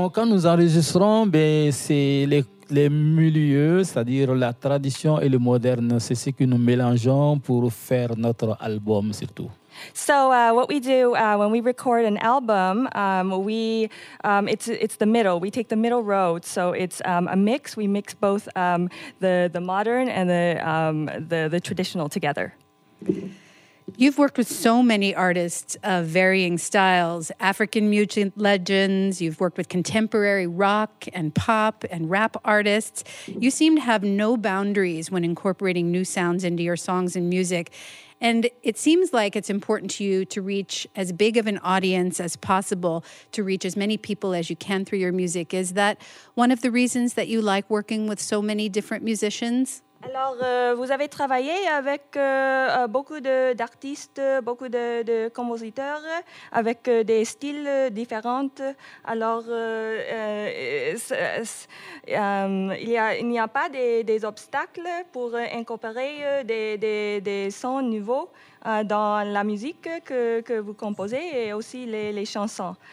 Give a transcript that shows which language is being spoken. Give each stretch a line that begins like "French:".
French: Bon, quand nous enregistrons, c'est les milieux, c'est-à-dire la tradition et le moderne, c'est ce que nous mélangeons pour faire notre album, surtout.
English: So what we do when we record an album, it's the middle. We take the middle road. So it's a mix. We mix both the modern and the traditional together. You've worked with so many artists of varying styles, African music legends. You've worked with contemporary rock and pop and rap artists. You seem to have no boundaries when incorporating new sounds into your songs and music. And it seems like it's important to you to reach as big of an audience as possible, to reach as many people as you can through your music. Is that one of the reasons that you like working with so many different musicians?
French: Alors, vous avez travaillé avec beaucoup d'artistes, beaucoup de compositeurs, avec des styles différents. Alors, il n'y a pas des obstacles pour incorporer des sons nouveaux dans la musique que vous composez et aussi les chansons.